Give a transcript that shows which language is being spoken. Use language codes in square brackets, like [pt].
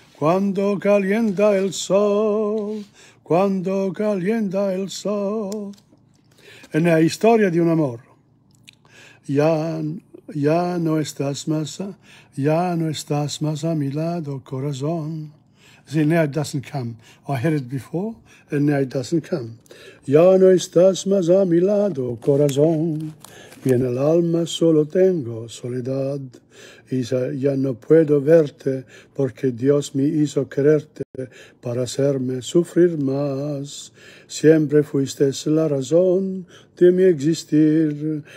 [es] Cuando calienta el sol, cuando calienta el sol. En la historia de un amor, ya no estás más, ya no estás más a mi lado, corazón. [en] See, now it doesn't come. I had it before, and now it doesn't come. [es] Ya no estás más a mi lado, corazón. Y en el alma solo tengo soledad. Y ya no puedo verte, porque Dios me hizo quererte para hacerme sufrir más. Siempre fuiste la razón de mi existir.